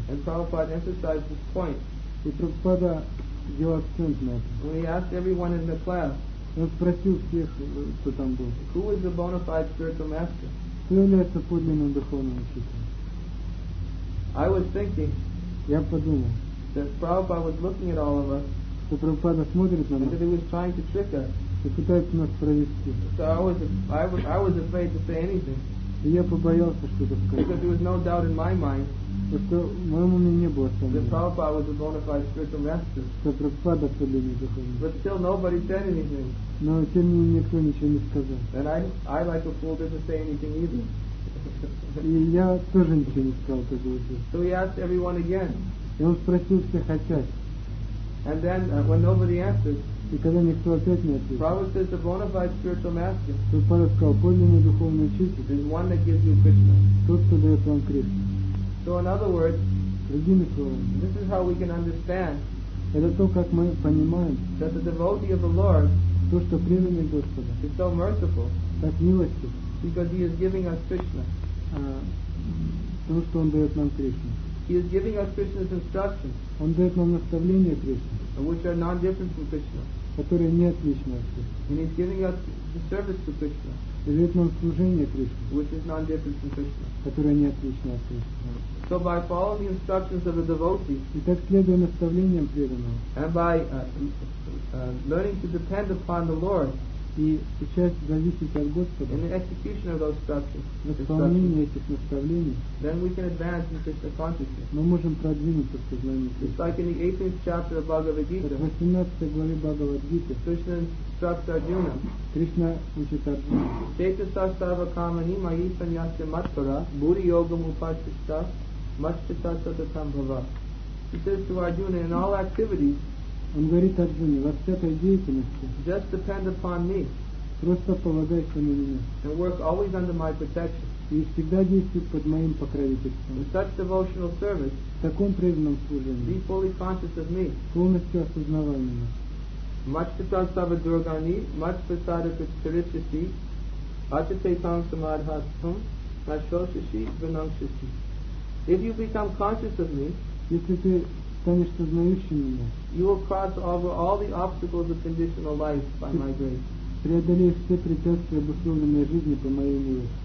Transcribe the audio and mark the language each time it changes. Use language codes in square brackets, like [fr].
[en] And Prabhupada emphasized this point. [ru] И Прабхупада делал акцент на этом. [en] He asked everyone in the class. [ru] Он спросил всех, кто там был. [en] Who is the bona fide spiritual master? [ru] Кто является подлинным духовным учителем? [en] I was thinking. [ru] Я подумал. [en] That Prabhupada was looking at all of us. [ru] Что Прабхупада смотрит на нас. [en] And that he was trying to trick us. [ru] И пытается нас провести. [en] So I was afraid to say anything. [ru] И я побоялся что-то сказать. [en] Because there was no doubt in my mind. [ru] Что в моем уме не было сомнений. [en] That Prabhupada was a bona fide spiritual master. [ru] Что Прабхупада подлинный духовный. [en] But still nobody said anything. [ru] Но тем не менее никто ничего не сказал. [en] And I like a fool didn't say anything either. [ru] И я тоже ничего не сказал, как говорится. [en] So he asked everyone again. [ru] И он спросил всех опять. [en] And then when nobody answered. [ru] И когда никто опять не ответил. [en] Prabhupada says the bona fide spiritual master. [ru] Прабхупада сказал, подлинный духовный учитель. [en] Is one that gives you Krishna. [ru] Тот, кто дает вам Кришну. [en] So in other words, [ru] другими словами, [en] this is how we can understand. [ru] Это то, как мы понимаем. [en] That the devotee of the Lord. [ru] То, что преданный Господа. [en] Is so merciful. [ru] Так милостив. [en] Because he is giving us Krishna. [ru] Потому что он дает нам Кришну. [en] He is giving us Krishna's instructions. [ru] Он дает нам наставления Кришны. [en] Which are non-different from Krishna. [ru] Которые не отличны от Кришны. [en] And he is giving us the service to Krishna. [ru] И дает нам служение Кришне. [en] Which is non-different from Krishna. [ru] Которые не отличны от Кришны. [en] So by following the instructions of the devotee. [ru] И так следуя наставлениям преданного. [en] And by learning to depend upon the Lord. [ru] И сейчас зависит от Господа. [en] In the execution of those instructions. [ru] В исполнении этих наставлений. [en] Then we can advance in Krishna consciousness. [ru] Мы можем продвинуться в сознании Кришны. [en] It's like in the 18th chapter of Bhagavad Gita. [ru] В 18 главе Бхагавад Гиты. [en] Krishna instructs Arjuna. [ru] Krishna учит Арджуну. [sa] Cetasa sarva kamani mayi sanyasya matpara bhuri yoga mupasthita matchita satatam bhava. [en] He says to Arjuna, in all activities. [ru] Он говорит Арджуне, во всякой деятельности [en] just depend upon me. [ru] Просто полагайся на меня. [en] And work always under my protection. [ru] И всегда действуй под моим покровительством. [en] In such devotional service, [ru] в таком преданном служении, [en] be fully conscious of me. [ru] Полностью осознавай меня. [sa] Matchita sava durgani, match prasada pritirishati, achate tam samadhatam, ashoshishi vinamshishi. [en] If you become conscious of me, [ru] если ты станешь сознающим меня, [en] you will cross over all the obstacles of conditional life by my grace. [ru] Преодолеешь все препятствия обусловленной жизни по моей милости.